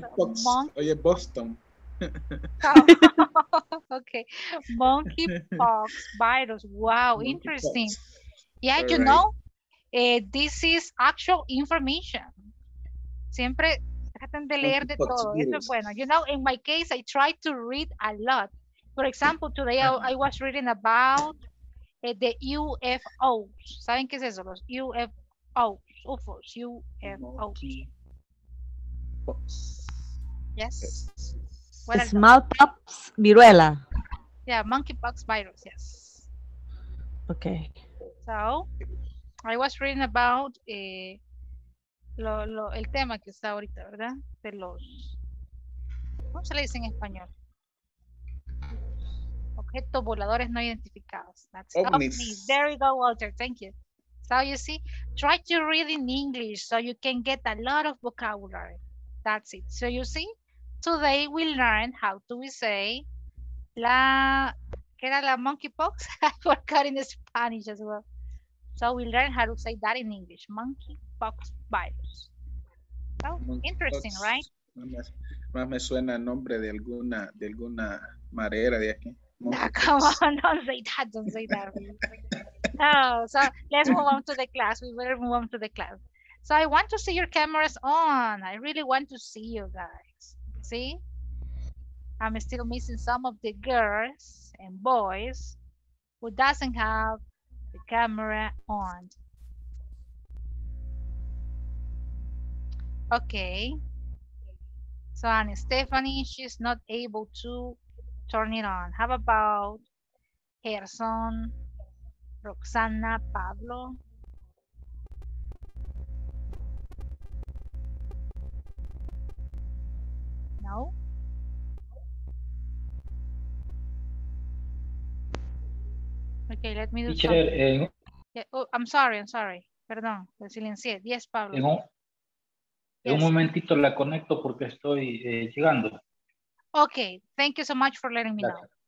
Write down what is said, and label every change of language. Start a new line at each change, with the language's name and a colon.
Spanish: No, oye, Boston.
English: Okay. Monkeypox virus. Wow, monkey interesting. Pox. Yeah, all you right. Know, this is actual information.
Spanish: Siempre traten de leer monkey de pox, todo. Eso es bueno.
English: You know, in my case, I try to read a lot. For example, today I was reading about the UFOs.
Spanish: ¿Saben qué es eso? Los UFOs. UFOs. UFOs. Monkey.
English: Yes. Well, smallpox viruela. Yeah, monkeypox virus, yes. Okay. So, I was reading about
Spanish: el tema que está ahorita, ¿verdad? De los, ¿cómo se le dice en español? Objetos voladores no identificados.
English: That's OVNIs. OVNIs. There you go, Walter. Thank you. So, you see, try to read in English so you can get a lot of vocabulary. That's it. So you see, today we learn how do we say
Spanish: la, ¿qué era la monkeypox?
English: I forgot in Spanish as well. So we learn how to say that in English, monkeypox virus. So monkey interesting, pox, right?
Spanish: Más me suena el nombre de alguna marera de aquí.
English: No, come on, don't say that. No, so let's move on to the class. We better move on to the class. So I want to see your cameras on. I really want to see you guys. See? I'm still missing some of the girls and boys who doesn't have the camera on. Okay. So Anne Stephanie, she's not able to turn it on. How about Gerson, Roxana, Pablo? No. Okay, let me do teacher, something. I'm sorry.
Spanish: Perdón, lo silencié.
English: Yes, Pablo.
Spanish: En un momentito la conecto porque estoy llegando.
English: Okay, thank you so much for letting me know.